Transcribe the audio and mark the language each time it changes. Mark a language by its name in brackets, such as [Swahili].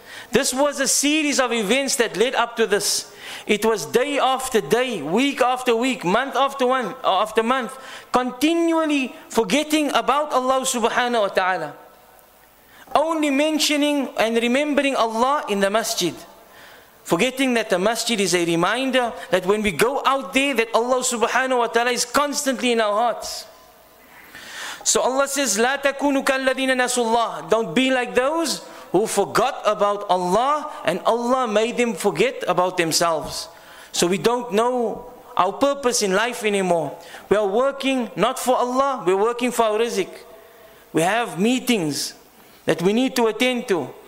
[English] This was a series of events that led up to this. It was day after day, week after week, month after month, continually forgetting about Allah subhanahu wa ta'ala. Only mentioning and remembering Allah in the masjid. Forgetting that the masjid is a reminder that when we go out there, that Allah subhanahu wa ta'ala is constantly in our hearts. So Allah says, [Arabic] لَا تَكُونُ كَالَّذِينَ نَسُوا اللَّهِ. [English] Don't be like those who forgot about Allah and Allah made them forget about themselves. So we don't know our purpose in life anymore. We are working not for Allah, we're working for our rizq. We have meetings that we need to attend to.